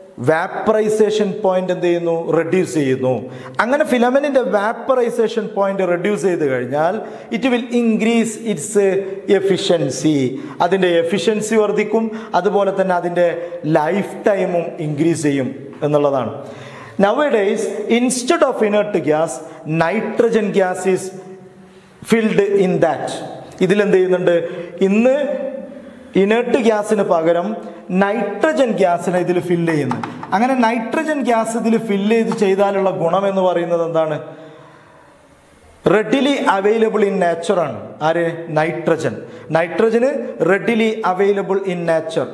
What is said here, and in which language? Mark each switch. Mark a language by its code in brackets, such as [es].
[ml] വാപ്പറൈസേഷൻ point എന്ത് ചെയ്യുന്നു, reduce ചെയ്യുന്നു. അങ്ങനെ ഫിലമെൻറ്റിൻ്റെ വാപ്പറൈസേഷൻ പോയിന്റ് റെഡ്യൂസ് ചെയ്ത് കഴിഞ്ഞാൽ [en] it will increase its efficiency, [ml] അതിൻ്റെ എഫിഷ്യൻസി വർദ്ധിക്കും, അതുപോലെ തന്നെ അതിൻ്റെ ലൈഫ് ടൈമും ഇൻക്രീസ് ചെയ്യും എന്നുള്ളതാണ്. [en] Nowadays, instead of inert gas, nitrogen gas is filled in that. [ml] ഇതിലെന്ത് ചെയ്യുന്നുണ്ട്, ഇന്ന് ഇനേർട്ട് ഗ്യാസിന് പകരം നൈട്രജൻ ഗ്യാസിനെ ഇതിൽ ഫില്ല് ചെയ്യുന്നു. അങ്ങനെ നൈട്രജൻ ഗ്യാസ് ഇതിൽ ഫില്ല് ചെയ്ത് ചെയ്താലുള്ള ഗുണം എന്ന് പറയുന്നത് എന്താണ്, [en] Readily available in നാച്ചുറാണ്. [ml] ആര്, nitrogen. Nitrogen [en] Readily available in nature.